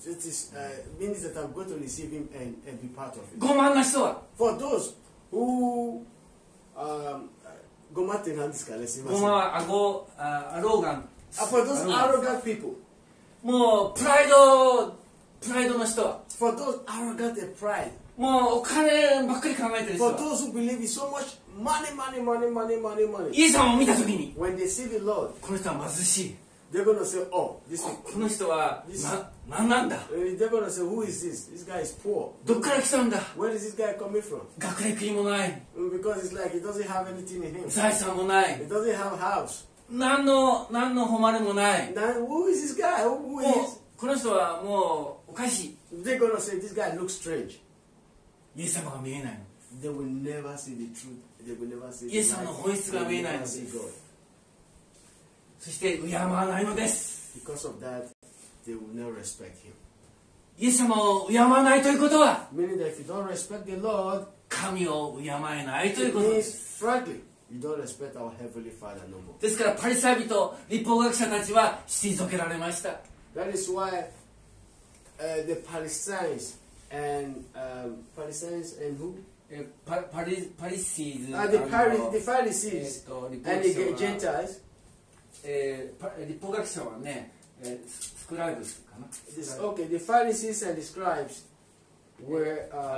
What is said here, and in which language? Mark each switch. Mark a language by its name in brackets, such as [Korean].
[English] Yes, it is means that I'm going to receive him and be part of it. [Japanese] 傲慢な人は。 [English] For those who [Japanese] 傲慢って何ですかね、すみません。傲慢は arrogant. [English] For those arrogant people, [Japanese] もうプライドプライドの人は [English] For those arrogant and pride [Japanese] もうお金ばっかり考えてる人は [English] For those who believe so much money, money, money, money, money, money [Japanese] イエス様を見た時に [English] When they see the Lord [Japanese] この人は貧しい [English] They're gonna say, oh, this [Japanese] is この人は何なんだ [English] They're gonna say, who is this? This guy is poor [Japanese] どっから来たんだ [English] Where is this guy coming from? [Japanese] 学歴もない [English] Because it's like he doesn't have anything in him [Japanese] 財産もない [English] He doesn't have a house [Japanese] 何の誉れもない [English] Who is this guy? Who is? [Japanese] この人はもうおかしい。 [English] They're gonna say this guy looks strange. [Japanese] イエス様が見えないの。 [English] They will never see the truth. They will never see. [Japanese] イエス様の本質が見えないのです。そして敬わないのです。 [English] Because of that, they will never respect him. [Japanese] イエス様を敬わないということは、 [English] meaning that if you don't respect the Lord, [Japanese] 神を敬えないということです。 [English] It means frankly, you don't respect our heavenly Father no more. [Japanese] ですからパリサイ人、律法学者たちは退けられました。 [English] That is why the Pharisees and Pharisees and who? Pharisees. The Pharisees and the Gentiles. [Japanese] The 律法学者はね、scribes かな。 [English] Okay, the Pharisees and the scribes were